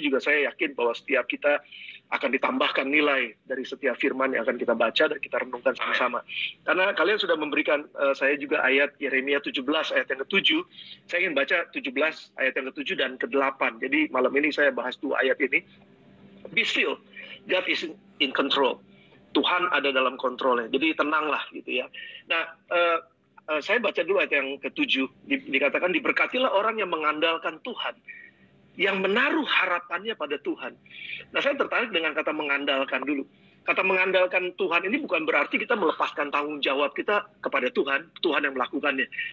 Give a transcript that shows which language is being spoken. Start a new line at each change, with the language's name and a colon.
Indonesian: Juga saya yakin bahwa setiap kita akan ditambahkan nilai dari setiap firman yang akan kita baca dan kita renungkan sama-sama. Karena kalian sudah memberikan saya juga ayat Yeremia 17 ayat yang ke-7. Saya ingin baca 17 ayat yang ke-7 dan ke-8. Jadi malam ini saya bahas 2 ayat ini.
English: be still, God is in control.
Indonesian: Tuhan ada dalam kontrolnya. Jadi tenanglah gitu ya. Nah, saya baca dulu ayat yang ketujuh. Dikatakan diberkatilah orang yang mengandalkan Tuhan, yang menaruh harapannya pada Tuhan. Nah, saya tertarik dengan kata mengandalkan dulu. Kata mengandalkan Tuhan ini bukan berarti kita melepaskan tanggung jawab kita kepada Tuhan, Tuhan yang melakukannya.